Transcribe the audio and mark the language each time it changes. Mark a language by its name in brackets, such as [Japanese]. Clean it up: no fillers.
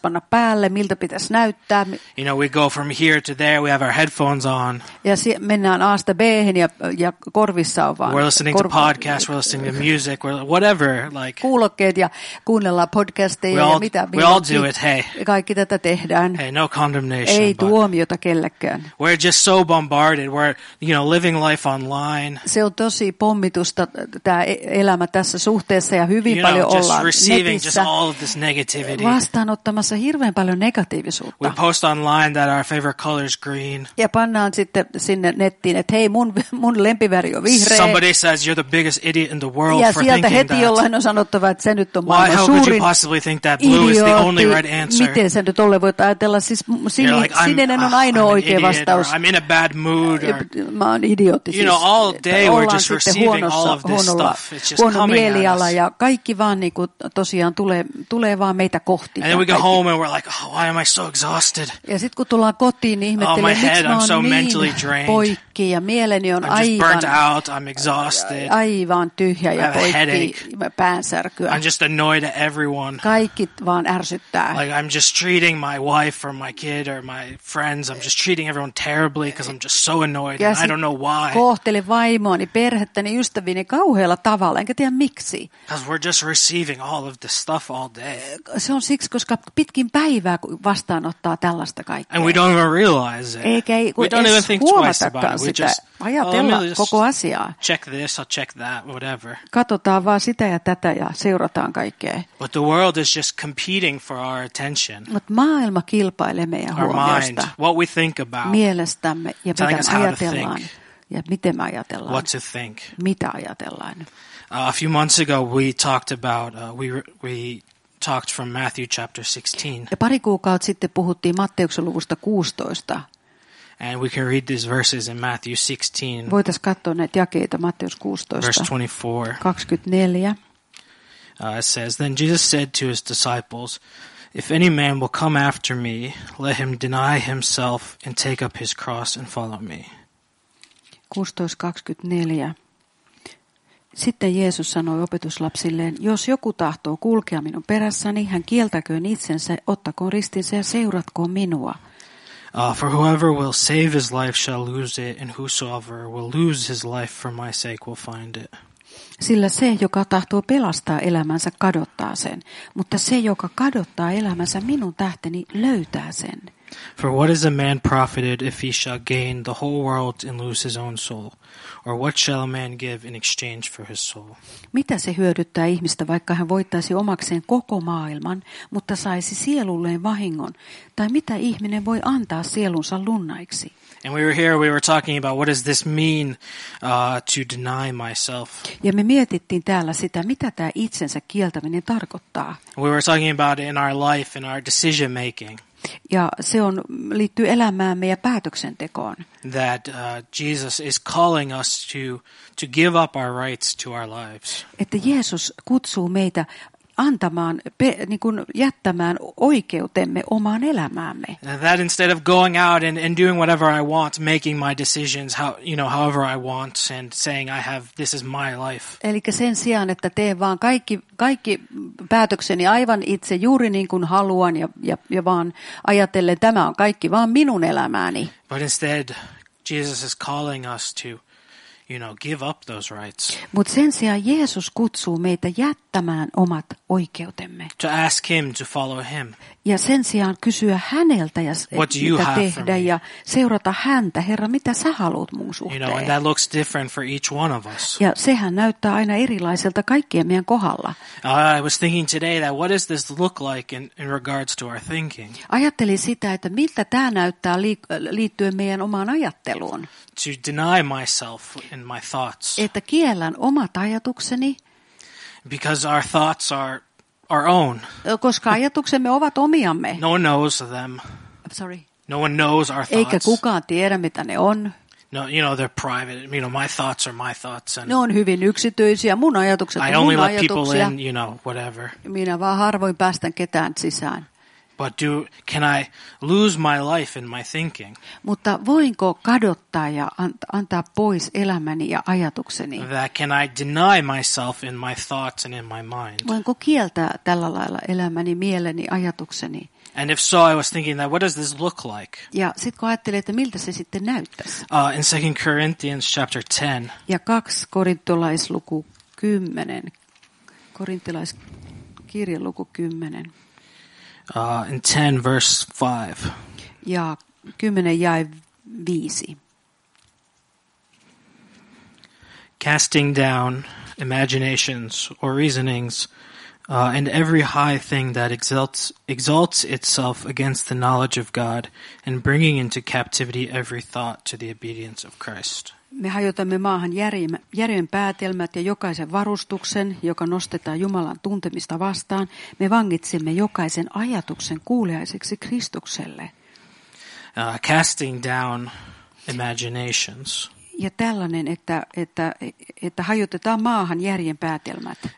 [Finnish] panna päälle, miltä pitäisi näyttää. [English] We go from here to there, we have our headphones on. [Finnish] Ja mennään A:sta B:hen ja korvissa on vaan. [English] We're listening to podcasts, we're listening to music, whatever. Like. [Finnish] Kuulokkeet ja kuunnellaan podcasteja [English] all, [Finnish] ja mitä. [English] We all do it, hey. [Finnish] Kaikki tätä tehdään. [English] Hey, no condemnation. [Finnish] Ei tuomiota kellekään. [English] We're just so bombarded, we're living life online. [Finnish] Se on tosi pommitusta tämä elämä tässä suhteessa ja hyvin paljon [English] just receiving just all of this negativity. [Finnish] Vastaanottamassa hirveän paljon negatiivisuutta. [English] We post online that our favorite color is green. [Finnish] Ja pannaan sitten sinne nettiin, että hei, mun lempiväri on vihreä. [English] Somebody says you're the biggest idiot in the world [Finnish] ja [English] for thinking that. [Finnish] Ja sieltä heti jollain on sanottava, että se nyt on maailman suurin. [English] Why how could you possibly think that blue idiot is the only right answer? [Finnish] Miten sen nyt olle voit ajatella? Siis sininen on ainoa oikea vastaus. [English] I'm in a bad mood. [Finnish] Mä oon idiootti. [English] All day we're just receiving all of this stuff. It's just [Finnish] huono mieliala ja kaikki vaan niinku tosiaan tulee vaan meitä kohti. [English] And then we go home and we're like, oh, why am I so exhausted? [Finnish] Ja sit kun tullaan kotiin, niin ihmettelee, [English] oh, my head, [Finnish] miksi [English] I'm [Finnish] mä oon [English] so [Finnish] niin poikki ja mieleni on [English] I'm just burnt out, I'm exhausted. [Finnish] Aivan tyhjä ja poikki. [English] I have a headache. [Finnish] päänsärkyä. [English] I'm just annoyed at everyone. [Finnish] Kaikki vaan ärsyttää. [English] Like I'm just treating my wife or my kid or my friends. I'm just treating everyone terribly because I'm just so annoyed and I don't know why. [Finnish] Kohtelen vaimoani, perhettäni, ystäviäni kauhealla tavalla, enkä tiedä miksi. [English] Because we're just receiving all of this stuff all day. [Finnish] Se on siksi, koska pitkin päivää vastaanottaa tällaista kaikkea. [English] And we don't even realize it. We don't even think twice about it. [Finnish] Ajatella koko asiaa. [English] Check this, I'll check that, whatever. [Finnish] Katsotaan vaan sitä ja tätä ja seurataan kaikkea. [English] But the world is just competing for our attention. [Finnish] Mut maailma kilpailee meidän huomiosta. [English] Our mind, what we think about. [Finnish] Mielestämme ja mitä ajatellaan. Ja miten me ajatellaan. [English] What to think. [Finnish] Mitä ajatellaan. [English] A few months ago we talked about, we talked from Matthew chapter 16. [Finnish] Ja pari kuukautta sitten puhuttiin Matteuksen luvusta 16. [English] And we can read these verses in Matthew 16. [Finnish] Voitais katsoa näitä jakeita Matteus 16. [English] Verse 24. It says, then Jesus said to his disciples, if any man will come after me, let him deny himself and take up his cross and follow me. 16:24. [Finnish] Sitten Jeesus sanoi opetuslapsilleen, jos joku tahtoo kulkea minun perässäni, hän kieltäköön itsensä, ottakoon ristinsä ja seuratkoon minua. [English] For whoever will save his life shall lose it, and whosoever will lose his life for my sake will find it. [Finnish] Sillä se, joka tahtoo pelastaa elämänsä, kadottaa sen. Mutta se, joka kadottaa elämänsä minun tähteni, löytää sen. [English] For what is a man profited if he shall gain the whole world and lose his own soul? Or what shall a man give in exchange for his soul? [Finnish] Mitä se hyödyttää ihmistä, vaikka hän voittaisi omakseen koko maailman, mutta saisi sielulleen vahingon? Tai mitä ihminen voi antaa sielunsa lunnaiksi? [English] And we were here, we were talking about what does this mean to deny myself. [Finnish] Ja me mietittiin täällä sitä, mitä tämä itsensä kieltäminen tarkoittaa. [English] We were talking about it in our life, in our decision making. [Finnish] Ja se on liittyy elämäämme ja päätöksentekoon. [English] That Jesus is calling us to give up our rights to our lives. [Finnish] Että Jeesus kutsuu meitä antamaan, niin kuin jättämään oikeutemme omaan elämäämme. [English] That instead of going out and doing whatever I want, making my decisions how, you know, however I want and saying I have, this is my life. [Finnish] Eli sen sijaan, että teen vaan kaikki päätökseni aivan itse juuri niin kuin haluan ja vaan ajatellen, tämä on kaikki vaan minun elämääni. [English] But instead, Jesus is calling us to, you know, give up those rights. [Finnish] Mut sen sijaan Jeesus kutsuu meitä jättämään omat oikeutemme. [English] To ask him to follow him. [Finnish] Ja sen sijaan kysyä häneltä ja [English] what [Finnish] mitä tehdä ja seurata häntä. Herra, mitä sä haluat mun suhteen? [English] You know, and that looks different for each one of us. [Finnish] Ja sehän näyttää aina erilaiselta kaikkien meidän kohdalla. [English] I was thinking today that what does this look like in regards to our thinking? [Finnish] Ajattelin sitä, että miltä tämä näyttää liittyen meidän omaan ajatteluun. [English] To deny myself in my thoughts. [Finnish] Että kiellän omat ajatukseni. [English] Because our thoughts are our own. [Finnish] Koska ajatuksemme ovat omiamme. [English] No one knows them. Sorry. No one knows our thoughts. [Finnish] Eikä kukaan tiedä mitä ne on. [English] No, you know, they're private. You know, my thoughts are my thoughts. And [Finnish] ne on hyvin yksityisiä. Mun ajatukset on mun ajatuksia. [English] I only let people in, you know, whatever. [Finnish] Minä vaan harvoin päästän ketään sisään. [English] But do can I lose my life in my thinking? [Finnish] Mutta voinko kadottaa ja antaa pois elämäni ja ajatukseni? [English] That can I deny myself in my thoughts and in my mind? [Finnish] Voinko kieltää tällä lailla elämäni, mieleni, ajatukseni? [English] And if so, I was thinking that what does this look like? [Finnish] Ja sit kun ajattelin, että miltä se sitten näyttäisi? [English] In 2 Corinthians chapter 10. [Finnish] Ja 2 Korintolaisluku 10. Korintolaiskirjan luku 10. [English] In 10 verse 5. [Finnish] Ja 10 jae 5. [English] Casting down imaginations or reasonings and every high thing that exalts itself against the knowledge of God and bringing into captivity every thought to the obedience of Christ. [Finnish] Me hajotamme maahan järjen päätelmät ja jokaisen varustuksen, joka nostetaan Jumalan tuntemista vastaan. Me vangitsemme jokaisen ajatuksen kuuliaiseksi Kristukselle. [English] Casting down imaginations. [Finnish] Ja tällainen, että hajotetaan maahan järjen päätelmät.